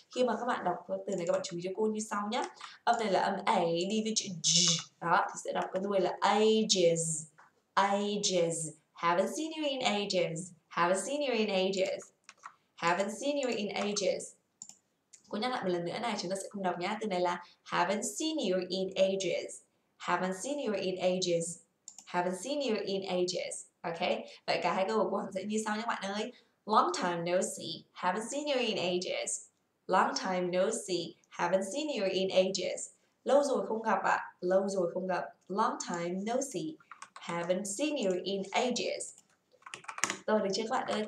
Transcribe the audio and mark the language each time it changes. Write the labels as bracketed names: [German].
[Vietnamese] Khi mà các bạn đọc từ này các bạn chú ý cho cô như sau nhé. Âm này là âm a đi với chữ g. Đó, thì sẽ đọc cái đuôi là ages. [English] Ages. Haven't seen you in ages. Haven't seen you in ages. Haven't seen you in ages. [Vietnamese] Cô nhắc lại một lần nữa này, chúng ta sẽ cùng đọc nhé. [English] Từ này là haven't seen you in ages. Haven't seen you in ages. Haven't seen you in ages. Okay? [Vietnamese] Vậy cả hai câu của cô sẽ như sau nhé các bạn ơi. [English] Long time no see. Haven't seen you in ages. Long time no see. [Vietnamese] Haven't seen you in ages. Lâu rồi không gặp ạ. Lâu rồi không gặp. [English] Long time no see. Haven't seen you in ages. Rồi, được chưa các bạn ơi?